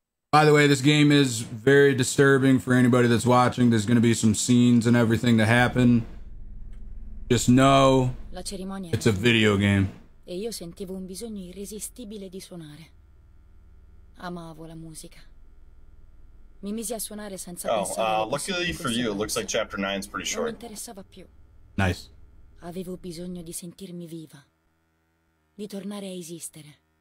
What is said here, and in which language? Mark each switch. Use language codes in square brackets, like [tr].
[en] By the way, this game is very disturbing for anybody that's watching. There's going to be some scenes and everything to happen. Just know [it] la cerimonia [en] it's a video game. [it] E io sentivo un bisogno irresistibile di suonare. Amavo la musica. Mi misi a suonare senza [en] luckily for you, it looks like chapter 9 is pretty short. [it] Non interessava più. [en] Nice. [it] Avevo bisogno di sentirmi viva. Di tornare a esistere.